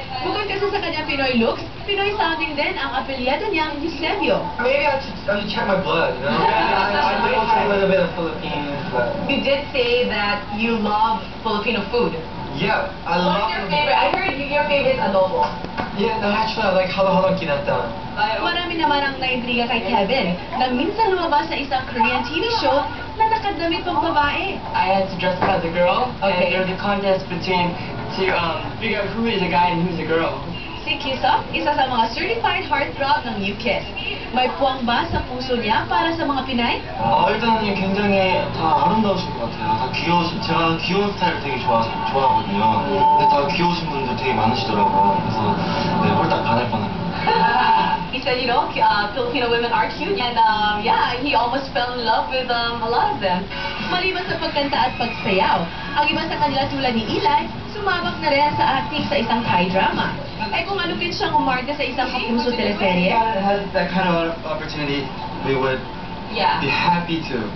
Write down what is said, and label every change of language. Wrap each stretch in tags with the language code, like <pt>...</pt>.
<tl>Bukod kasi sa kanyang Pinoy looks, Pinoy sounding din ang apelyado niyang Eusebio.</tl> <en>Maybe I should check my blood, you know? I also a little bit of Philippines, but... You did say that you love Filipino food. Yeah, I What's your favorite? I heard your favorite is adobo. Yeah, no, actually, I like halo-halo kinantan.</en> <tl>Marami naman ang naintriga kay Kevin, na minsan lumabas sa isang Korean TV show na nakadamit pang babae.</tl> <en>I had to dress up as a girl, okay. And there's a contest between to figure out who is a guy and who's a girl.</en> <tl>Si Kiso, isa sa mga</tl> <en>certified heartthrob</en> <tl>ng You Kiss. May puwang ba sa puso niya para sa mga Pinay? Ilan niya,</tl> <ko>굉장히 다 아름다우신 것 같아요. 다 귀여우신, 제가 귀여운 스타일을 되게 좋아하거든요. 근데 다 귀여우신 분들 되게 많으시더라고요. 그래서 네, 홀딱 반할 뻔합니다.</ko> <en>He said, you know, Filipino women are cute, and yeah, he almost fell in love with a lot of them.</en> <tl>Maliban sa pagkanta at pagsayaw, ang iba sa kanila tulad ni Eli, sumabak na rin sa acting sa isang Thai drama. Ay kung malupit siyang umarga sa isang kapuso teleserye.</tl> <en>That kind of opportunity, we would be happy to.</en>